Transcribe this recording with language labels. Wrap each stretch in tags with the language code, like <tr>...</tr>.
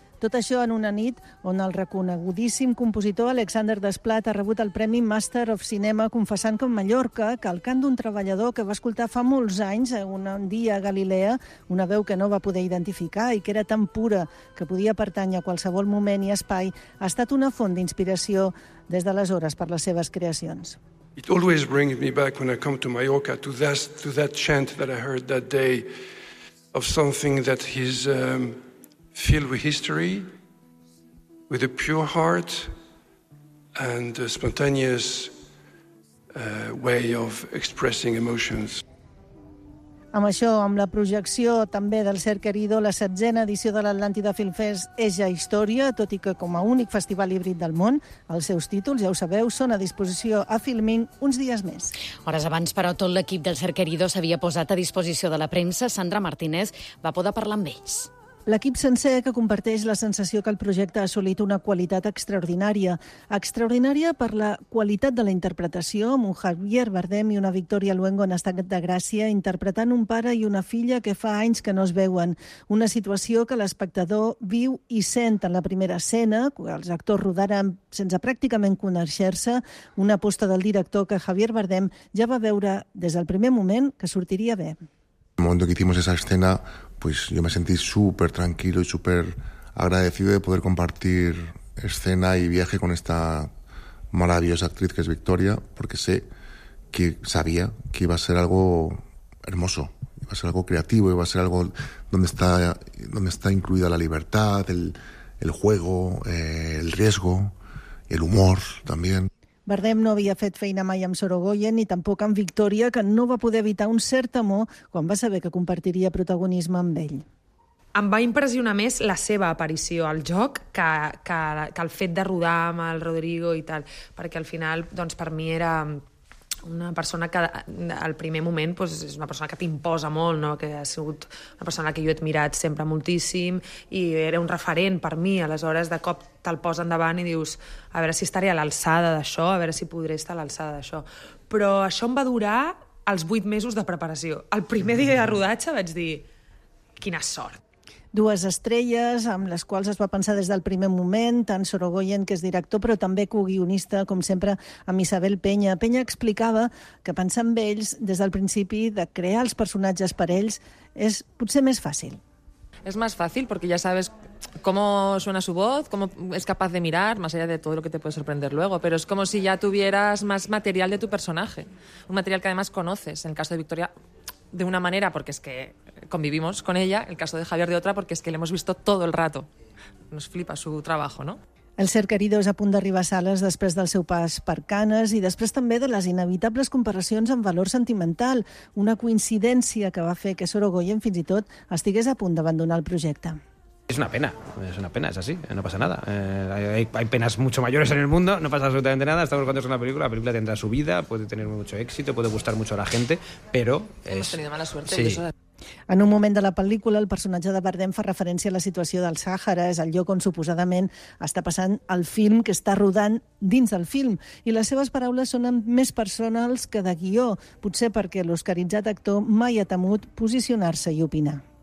<ca>Tot això en una nit on el reconegudíssim compositor Alexander Desplat ha rebut el Premi Master of Cinema confessant que en Mallorca, que el cant d'un treballador que va escoltar fa molts anys un dia a Galilea, una veu que no va poder identificar i que era tan pura que podia pertànyer a qualsevol moment i espai, ha estat una font d'inspiració des d'aleshores per les seves creacions.</ca> <en>It always brings me back when I come to Mallorca to that chant that I heard that day of something that he's filled with history, with a pure heart and a spontaneous way of expressing emotions.</en> <ca>Amb això, amb la projecció també del Ser Querido, la 16a edició de l'Atlàntida Film Fest és ja història, tot i que com a únic festival híbrid del món, els seus títols, ja ho sabeu, són a disposició a Filmin uns dies més. Hores abans, però, tot l'equip del Ser Querido s'havia posat a disposició de la premsa. Sandra Martínez va poder parlar amb ells. L'equip sencer que comparteix la sensació que el projecte ha assolit una qualitat extraordinària. Extraordinària per la qualitat de la interpretació, amb un Javier Bardem i una Victoria Luengo en estat de gràcia, interpretant un pare i una filla que fa anys que no es veuen. Una situació que l'espectador viu i sent en la primera escena, que els actors rodaran sense pràcticament conèixer-se, una aposta del director que Javier Bardem ja va veure des del primer moment que sortiria bé.</ca> <es>El moment que hicimos esa escena, pues yo me sentí súper tranquilo y súper agradecido de poder compartir escena y viaje con esta maravillosa actriz que es Victoria, porque sé que sabía que iba a ser algo hermoso, iba a ser algo creativo, iba a ser algo donde está incluida la libertad, el juego, el riesgo, el humor también.</es> <ca>Bardem no havia fet feina mai amb Sorogoyen ni tampoc amb Victoria, que no va poder evitar un cert temor quan va saber que compartiria protagonisme amb ell. Em va impressionar més la seva aparició al joc que el fet de rodar amb el Rodrigo i tal, perquè al final doncs, per mi era una persona que al primer moment doncs, és una persona que t'imposa molt, no? Que ha sigut una persona que jo he admirat sempre moltíssim i era un referent per mi. Aleshores, de cop te'l posa endavant i dius a veure si estaré a l'alçada d'això, a veure si podré estar a l'alçada d'això. Però això em va durar els 8 mesos de preparació. El primer dia de rodatge vaig dir, quina sort. Dues estrelles amb les quals es va pensar des del primer moment, tant Sorogoyen, que és director, però també coguionista, com sempre, amb Isabel Peña. Peña explicava que pensar en ells des del principi de crear els personatges per ells és potser més fàcil.</ca> <es>Es más fácil porque ya sabes cómo suena su voz, cómo es capaz de mirar, más allá de todo lo que te puede sorprender luego. Pero es como si ya tuvieras más material de tu personaje. Un material que además conoces, en el caso de Victoria, de una manera, porque es que convivimos con ella, el caso de Javier de otra, porque es que le hemos visto todo el rato. Nos flipa su trabajo, ¿no?</es> <ca>El Ser Querido és a punt d'arribar a sales després del seu pas per Canes i després també de les inevitables comparacions amb Valor Sentimental, una coincidència que va fer que Sorogoyen fins i tot estigués a punt d'abandonar el projecte.</ca> <es>Es una pena, es así, no pasa nada. Hay penas mucho mayores en el mundo, no pasa absolutamente nada, estamos cuando es una película, la película tendrá su vida, puede tener mucho éxito, puede gustar mucho a la gente, pero... Hemos tenido mala suerte. Sí.</es> <ca>En un moment de la pel·lícula, el personatge de Bardem fa referència a la situació del Sàhara, és el lloc on suposadament està passant el film que està rodant dins del film. I les seves paraules són més personals que de guió, potser perquè l'oscaritzat actor mai ha temut posicionar-se i opinar.</ca>